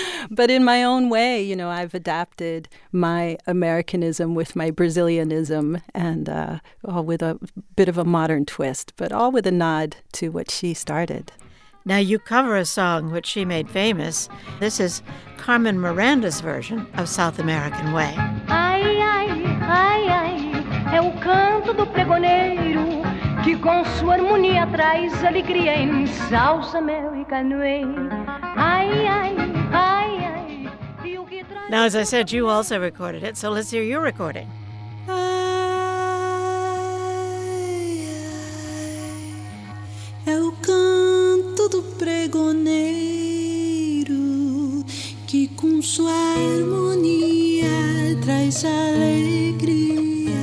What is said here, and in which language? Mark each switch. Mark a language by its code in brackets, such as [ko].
[en] But in my own way, you know, I've adapted my Americanism with my Brazilianism and all with a bit of a modern twist, but all with a nod to what she started. Now, you cover a song which she made famous. This is Carmen Miranda's version of South American Way. Ai, ai, ai, ai. [pt] É o canto do pregoneiro que com sua harmonia traz alegria em South American Way. Ai, ai, ai, ai. [en] Now, as I said, you also recorded it, so let's hear your recording. [pt] Ai, ai, é o canto do pregoneiro que com sua harmonia traz alegria.